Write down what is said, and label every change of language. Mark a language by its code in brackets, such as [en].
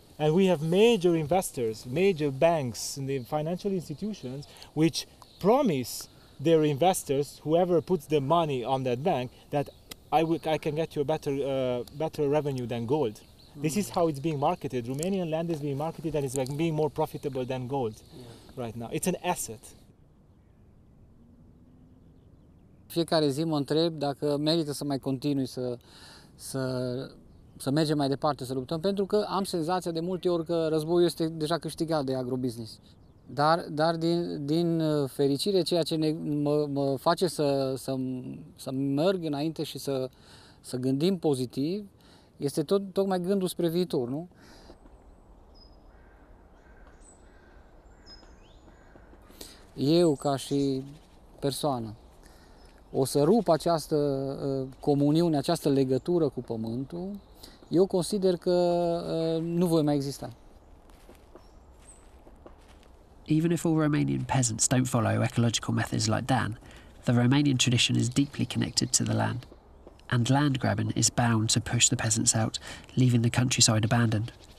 [en] And we have major investors, major banks and the financial institutions which promise their investors, whoever puts the money on that bank, that I can get you a better revenue than gold. Mm. This is how it's being marketed. Romanian land is being marketed and it's like being more profitable than gold, yeah. right now. It's an asset. [ro] Fiecare zi mă întreb dacă merită să mai continui să mergem mai departe, să luptăm, pentru că am senzația de multe ori că războiul este deja câștigat de agrobusiness. Dar din fericire, ceea ce mă face să merg înainte și să gândim pozitiv este tocmai gândul spre viitor, nu? Eu, ca și persoană, o să rup această comuniune, această legătură cu pământul, eu consider că nu voi mai exista. [en] Even if all Romanian peasants don't follow ecological methods like Dan, the Romanian tradition is deeply connected to the land. And land grabbing is bound to push the peasants out, leaving the countryside abandoned.